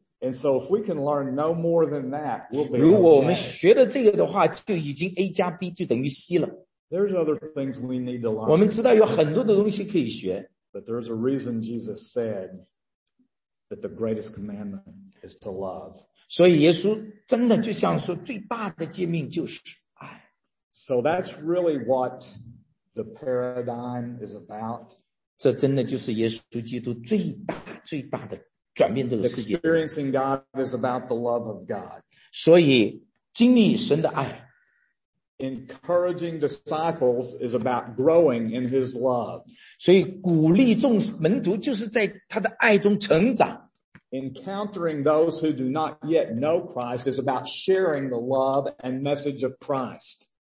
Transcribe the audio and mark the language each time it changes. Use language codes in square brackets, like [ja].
[en] And so if we can learn no more than that, we'll be okay. [zh] 如果我们学了这个的话，就已经A加B就等于C了。 [en] There's other things we need to learn. [zh] 我们知道有很多的东西可以学。 [en] But there's a reason Jesus said that the greatest commandment is to love. [zh] 所以耶稣真的就像说最大的诫命就是爱。 [en] So that's really what the paradigm is about. [zh] 这真的就是耶稣基督最大的转变这个世界。 [en] Experiencing God is about the love of God. [zh] 所以经历神的爱。 [en] Encouraging disciples is about growing in his love. [zh] 所以鼓励众门徒就是在他的爱中成长。 [en] Encountering those who do not yet know Christ is about sharing the love and message of Christ.